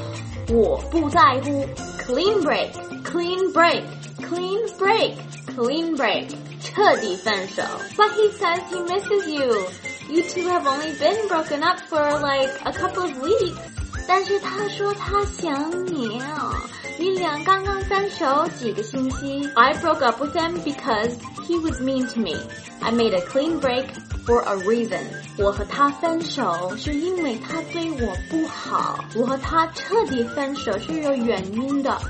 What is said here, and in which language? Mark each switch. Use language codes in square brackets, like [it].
[en] Oh, [zh] 我不在乎。 [en] Clean break, clean break, clean break. Clean break, [zh] 彻底分手。 [en] But he says he misses you. You two have only been broken up for like a couple of weeks. [zh] 但是他说他想你哦。你俩刚刚分手几个星期。 [en] I broke up with him because he was mean to me. I made a clean break for a reason. [zh] 我和他分手是因为他对我不好。我和他彻底分手是有原因的。